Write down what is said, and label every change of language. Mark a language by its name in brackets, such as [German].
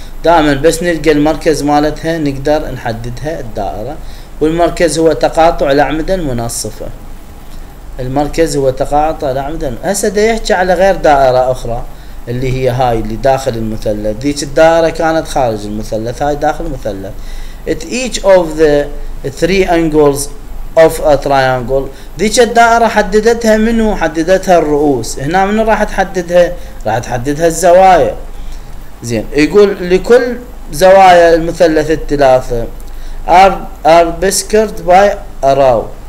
[Arabic] دائما بس نلقى المركز مالتها نقدر نحددها الدائرة. والمركز هو تقاطع الأعمدة المنصفة. المركز هو تقاطع الأعمدة. هسه دا يحكي على غير دائرة أخرى اللي هي هاي اللي داخل المثلث. ذيك الدائرة كانت خارج المثلث، هاي داخل المثلث. [English] At each of the three angles of a triangle. [Arabic] ذيك الدائرة حددتها منو؟ حددتها الرؤوس. هنا منو راح تحددها؟ راح تحددها الزوايا. زين، يقول لكل زوايا المثلث الثلاثة [English] are bisected by a row.